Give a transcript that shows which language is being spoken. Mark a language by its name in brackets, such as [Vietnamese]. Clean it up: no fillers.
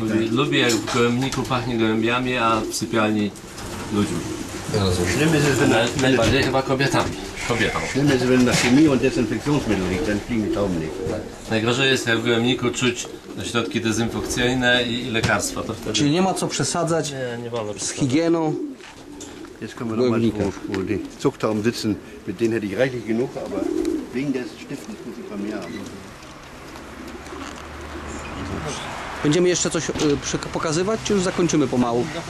[Polish] Lubię, jak w gołębniku pachnie gołębiami, a w sypialni ludźmi. [German] Schlimm ist es, wenn [Polish] najbardziej chyba kobietami. [German] Schlimm ist, wenn nach Chemie und Desinfektionsmittel riecht, dann fliegen die Tauben nicht. [Polish] Najgorzej jest, jak w gołębniku czuć środki dezynfekcyjne i lekarstwa. To wtedy... Czyli nie ma co przesadzać nie z higieną. [German] Jetzt kommen wir nochmal zu, wo die Zugtauben sitzen. Mit denen hätte ich reichlich genug, aber wegen des Stiftes muss ich bei mir haben. [Polish] Będziemy jeszcze coś pokazywać, czy już zakończymy pomału?